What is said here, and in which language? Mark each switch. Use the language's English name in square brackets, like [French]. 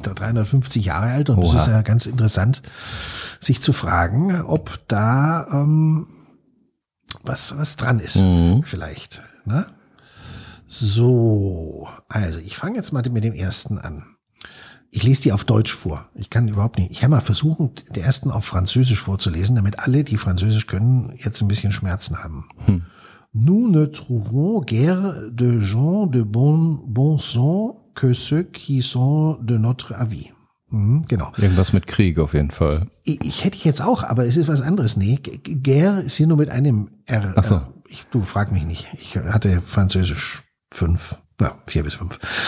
[German] 350 Jahre alt. Und es ist ja ganz interessant, sich zu fragen, ob da was dran ist, vielleicht. Ne? So, also ich fange jetzt mal mit dem ersten an. Ich lese die auf Deutsch vor. Ich kann überhaupt nicht. Ich kann mal versuchen, den ersten auf Französisch vorzulesen, damit alle, die Französisch können, jetzt ein bisschen Schmerzen haben. [French] Nous ne trouvons guère de gens de bon sens que ceux qui sont de notre avis. [German] Genau. Irgendwas mit Krieg auf jeden Fall. Ich hätte jetzt auch, aber es ist was anderes. Nee, guère ist hier nur mit einem R. Ach so. Du frag mich nicht. Ich hatte Französisch 4 bis 5.